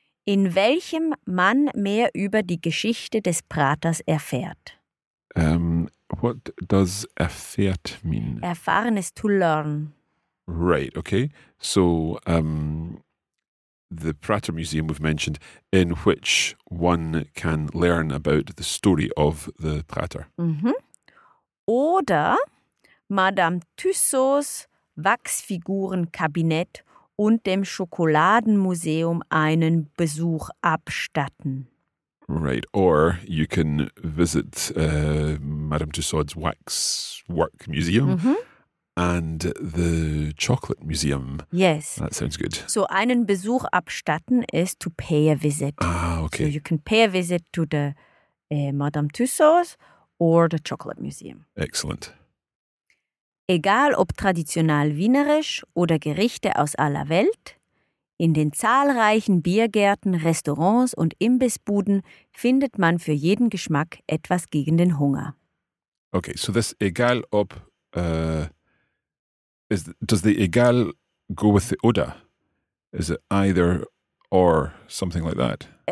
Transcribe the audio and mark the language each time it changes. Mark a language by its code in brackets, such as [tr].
[de] In welchem man mehr über die Geschichte des Praters erfährt? [en] What does erfährt mean? Erfahren is to learn. Right, okay. So, the Prater Museum we've mentioned, in which one can learn about the story of the Prater. Mm-hmm. [de] Oder Madame Tussauds Wachsfigurenkabinett und dem Schokoladenmuseum einen Besuch abstatten. [en] Right, or you can visit Madame Tussauds Wax Work Museum mm-hmm. and the Chocolate Museum. Yes. That sounds good. So, [de] einen Besuch abstatten [en] is to pay a visit. Ah, okay. So, you can pay a visit to the Madame Tussauds or the Chocolate Museum. Excellent. [de] Egal ob traditional wienerisch oder Gerichte aus aller Welt, in den zahlreichen Biergärten, Restaurants und Imbissbuden findet man für jeden Geschmack etwas gegen den Hunger. [en] Okay, so this [de] egal ob, [en] does the egal go with the oder? Is it either or something like that?